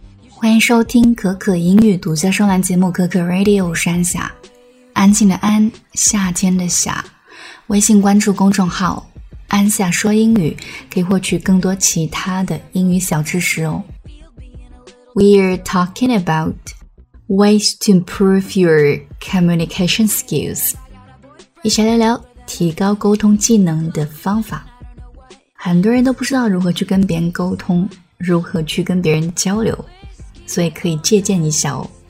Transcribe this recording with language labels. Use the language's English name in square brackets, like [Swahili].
[Chinese] 欢迎收听可可英语独家专栏节目可可 Radio 山下，安静的安，夏天的夏。微信关注公众号安夏说英语，可以获取更多其他的英语小知识哦。 [English] We're talking about ways to improve your communication skills. [Chinese] 一起来聊聊提高沟通技能的方法。很多人都不知道如何去跟别人沟通，如何去跟别人交流，所以可以借鉴一下哦。